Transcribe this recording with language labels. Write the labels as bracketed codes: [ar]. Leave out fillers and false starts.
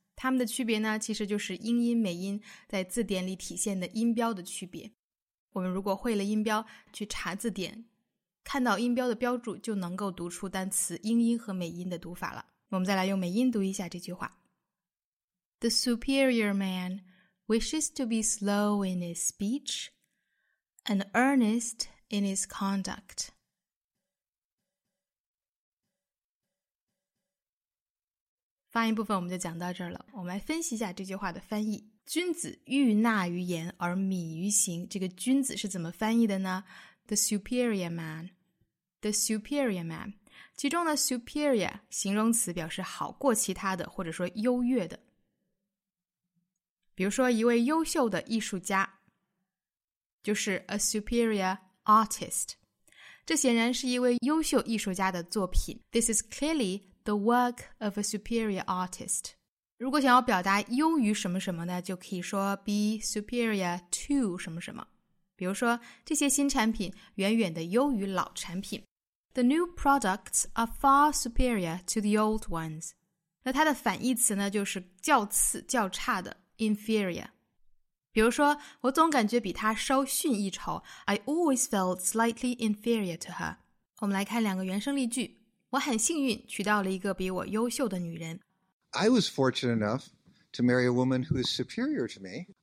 [zh] 它们的区别呢，其实就是英音美音在字典里体现的音标的区别。我们如果会了音标，去查字典，看到音标的标注，就能够读出单词英音和美音的读法了。我们再来用美音读一下这句话。 [en] The superior man wishes to be slow in his speech and earnest in his conduct. [zh] 发音部分我们就讲到这儿了。我们来分析一下这句话的翻译。君子欲纳于言而敏于行，这个君子是怎么翻译的呢？ [en] The superior man. The superior man. [zh] 其中呢 superior 形容词表示好过其他的，或者说优越的。比如说一位优秀的艺术家，就是 [en] a superior artist. [zh] 这显然是一位优秀艺术家的作品。 [en] This is clearlyThe work of a superior artist. [zh] 如果想要表达优于什么什么呢，就可以说 [en] be superior to [zh] 什么什么。比如说，这些新产品远远的优于老产品。 [en] The new products are far superior to the old ones. [zh] 那它的反义词呢，就是较次、较差的 inferior。比如说，我总感觉比她稍逊一筹。 [en] I always felt slightly inferior to her. [zh] 我们来看两个原声例句。我很幸运娶到了一个比我优秀的女人。 [en] I was fortunate enough to marry a woman who is superior to me.